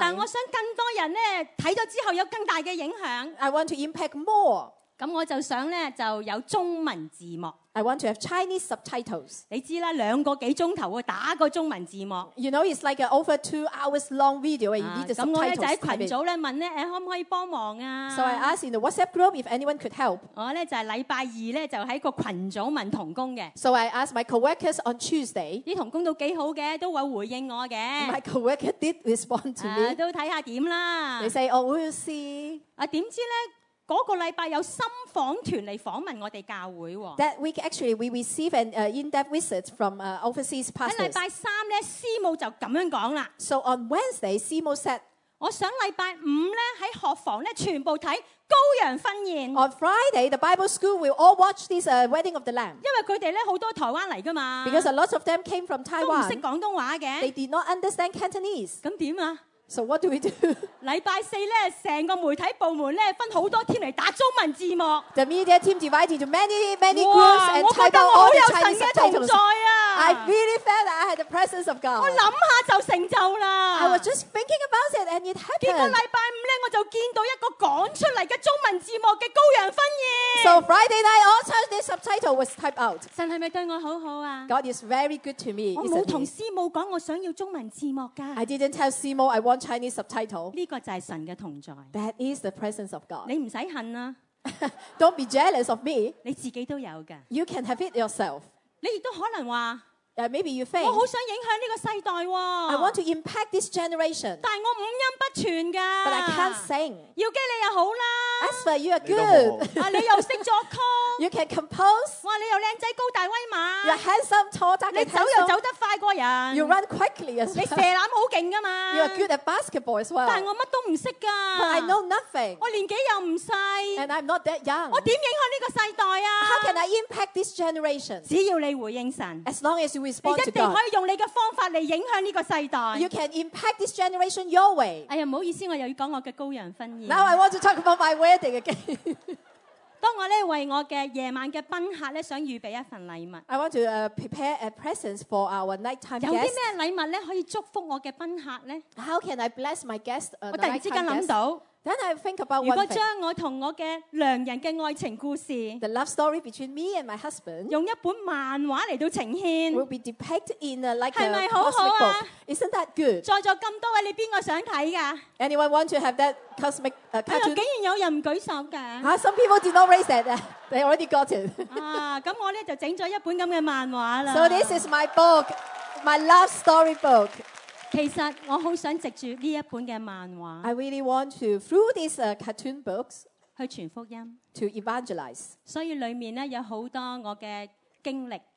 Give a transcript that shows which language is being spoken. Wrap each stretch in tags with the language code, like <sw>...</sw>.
<yue>但我想更多人咧睇咗之后有更大嘅影响。</yue> <en>I want to impact more。</en> <yue>咁我就想咧就有中文字幕。</yue> <en>I want to have Chinese subtitles。</en> <yue>你知啦，两个几钟头啊，打个中文字幕。</yue> <en>You know, it's like an over 2 hours long video, and you need the subtitles.</en> <yue>咁我咧就喺群组咧问咧，可唔可以帮忙啊</yue> <en>？So I asked in the WhatsApp group if anyone could help.</en> <yue>我咧就系礼拜二咧就喺个群组问童工嘅。</yue> <en>So I asked my coworkers on Tuesday.</en> <yue>啲童工都几好嘅，都有回应我嘅。</yue> <en>My coworker did respond to me.</en> <yue>都睇下点啦。</yue> <en>They say, "Oh, we'll see."</en> <yue>点知咧？嗰、那個禮拜有深訪團嚟訪問我哋教會喎。</yue> <en>That week actually we receive an in-depth visit from overseas pastors。</en> <yue>喺禮拜三咧，師母就咁樣講啦。</yue> <en>So on Wednesday, 師母 said，</en> <yue>我想禮拜五咧喺學房咧全部睇羔羊婚宴。</yue> <en>On Friday, the Bible school will all watch this wedding of the Lamb。</en> <yue>因為佢哋咧好多台灣嚟噶嘛。</yue> <en>Because a lot of them came from Taiwan。</en> <yue>都唔識廣東話嘅。</yue> <en>They did not understand Cantonese。</en> <yue>咁點啊？</yue> <en>So what do we do?</en> <yue>禮拜四咧，成個媒體部門咧分好多 team 嚟打中文字幕。</yue> <en>The media team divided into many groups and type out all the Chinese titles. I really felt that I had the presence of God.</en> <yue>我諗下就成就啦。</yue> <en>I was just thinking about it and it happened.</en> <yue>結果禮拜五咧，我就見到一個講出嚟嘅中文字幕嘅羔羊婚宴。</yue> <en>So Friday night, all Chinese subtitle was typed out.</en> <yue>神係咪對我好好啊</yue> <en>？God is very good to me.</en> <yue>我冇同師母講我想要中文字幕㗎。</yue> <en>I didn't tell 師母 I want Chinese subtitle.</en> <yue>呢個就係神嘅同在。</yue> <en>That is the presence of God.</en> <yue>你唔使恨啦。</yue> <en>Don't be jealous of me.</en> <yue>你自己都有㗎。</yue> <en>You can have it yourself.</en> <yue>你亦都可能話。</yue> <en>Maybe you think.</en> <yue>我好想影響呢個世代喎。</yue> <en>I want to impact this generation.</en> <yue>但我五音不全㗎。</yue> <en>But I can't sing.</en> <yue>姚基你又好啦。</yue> <en>Asper, you are good.</en> <yue>你又識作曲。</yue> <en>You can compose.</en> <yue>哇，你又靚仔高大威猛。</yue> <en>You're handsome, tall, dark, handsome.</en> <yue>你走又走得快過人。</yue> <en>You run quickly as well.</en> <yue>你射籃好勁㗎嘛。</yue> <en>You are good at basketball as well.</en> <yue>但我乜都唔識㗎。</yue> <en>But I know nothing.</en> <yue>我年紀又唔細。</yue> <en>And I'm not that young.</en> <yue>我點影響呢個世代啊</yue> <en>？How can I impact this generation?</en> <yue>只要你回應神。</yue> <en>As long as</en> <yue>你一定可以用你嘅方法嚟影响呢个世代。</yue> <en>You can impact this generation your way。</en> <yue>哎呀，唔好意思，我又要讲我嘅羔羊婚宴。</yue> <en>Now I want to talk about my wedding again.</en> <yue>当我咧为我嘅夜晚嘅宾客咧想预备一份礼物</yue> <en>，I want to prepare a present for our nighttime guest。</en> <yue>有啲咩礼物咧可以祝福我嘅宾客咧</yue> <en>？How can I bless my guest？</en> <yue>我突然之间谂到。</yue> <en>Then I think about one thing.</en> <yue>如果將我同我嘅良人嘅愛情故事</yue> <en>，the love story between me and my husband，</en> <yue>用一本漫畫嚟到呈現</yue> <en>，will be depicted in a like a cosmic book.</en> <yue>係咪好好啊</yue> <en>？Isn't that good？</en> <yue>在座咁多位，你邊個想睇㗎</yue> <en>？Anyone want to have that cosmic cartoon？</en> <yue>哎呀，竟然有人唔舉手㗎！</yue> <en>嚇 ，some people did not raise that. They already got it.</en> <yue>啊，咁我咧就整咗一本咁嘅漫畫啦。</yue> <en>So this is my book, my love story book.</en> <yue>其實我好想藉住呢一本嘅漫畫</yue> <en>，I really want to through these cartoon books</en> <yue>去傳福音</yue> <en>，to evangelize。</en> <yue>所以裡面咧有好多我嘅經歷</yue>